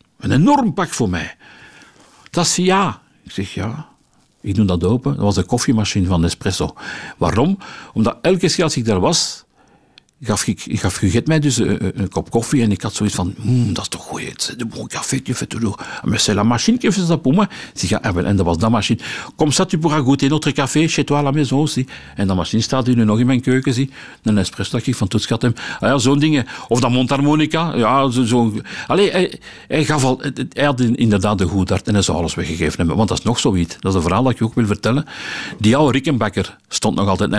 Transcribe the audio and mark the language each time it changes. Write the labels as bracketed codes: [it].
[nl] Een enorm pak voor mij. Dat is ja. Ik zeg, ja. Ik doe dat open. Dat was de koffiemachine van Nespresso. Waarom? Omdat elke keer als ik daar was, gaf Gugget mij dus een kop koffie en ik had zoiets van, dat is toch goed, [fr] c'est de bon café, tu fais toujours. Mais c'est la machine qui fait ça pour moi. [nl] En dat was dat machine. [fr] Comme ça, tu pourras goûter notre café chez toi à la maison aussi. [nl] En dat machine staat hier nu nog in mijn keuken, zie. Een espresso dat ik van toets gehad heb. Ah ja, zo'n dingen. Of dat mondharmonica. Ja, zo. Allee, hij had inderdaad de goed hart en hij zou alles weggegeven hebben. Want dat is nog zoiets. Dat is een verhaal dat ik ook wil vertellen. Die oude Rickenbacker stond nog altijd.